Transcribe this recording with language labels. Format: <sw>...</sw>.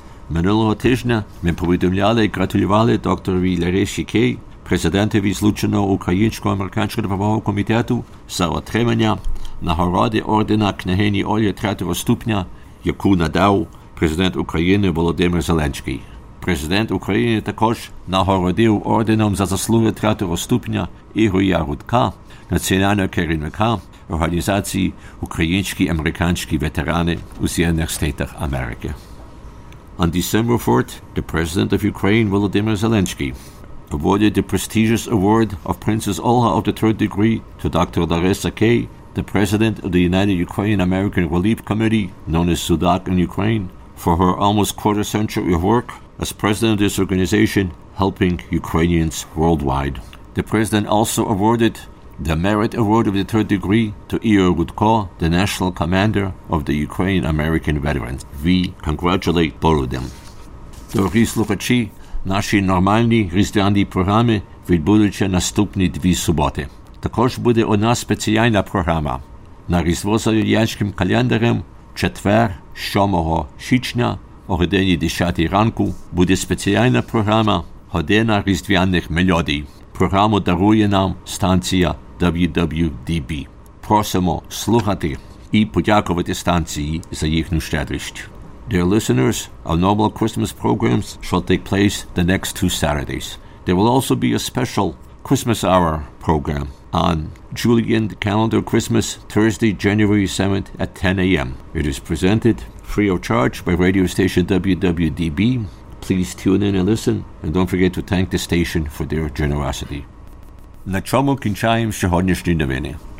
<uk>Минулого тижня ми повідомляли і гратулювали докторові Ларисі Кей, президентові Злученого Українсько-Американського Допомогового Комітету, за отримання нагороди ордена княгині Ольги III ступня, яку надав президент України Володимир Зеленський. Президент України також нагородив орденом за заслуги III ступня Ігоря Гудка, національного керівника організації «Українські американські ветерани» у Сполучених Штатах Америки.</uk> <en>On December 4th, the president of Ukraine, Volodymyr Zelensky, awarded the prestigious award of Princess Olga of the Third Degree to Dr. Larissa Kay, the president of the United Ukraine-American Relief Committee, known as SUDAC in Ukraine, for her almost quarter century of work as president of this organization, helping Ukrainians worldwide. The president also awarded the Merit Award of the Third Degree to Igor Gudko, the National Commander of the Ukraine-American Veterans. We congratulate both of them.</en> <uk>Дорогі слухачі, наші нормальні різдвяні програми відбудуться наступні дві суботи. Також буде одна спеціальна програма. На Різдво за юліанським календарем четвер 7 січня о годині 10 ранку буде спеціальна програма «Година різдвяних мелодій». Програму дарує нам станція WWDB. Просимо слухати і подякувати станції за їхню щедрість.</uk> <en>Dear listeners, our normal Christmas programs shall take place the next two Saturdays. There will also be a special Christmas Hour program on Julian Calendar Christmas, Thursday, January 7th at 10 a.m. It is presented free of charge by radio station WWDB. Please tune in and listen, and don't forget to thank the station for their generosity.</en> <uk>На чому кінчаємо сьогоднішні новини?</uk>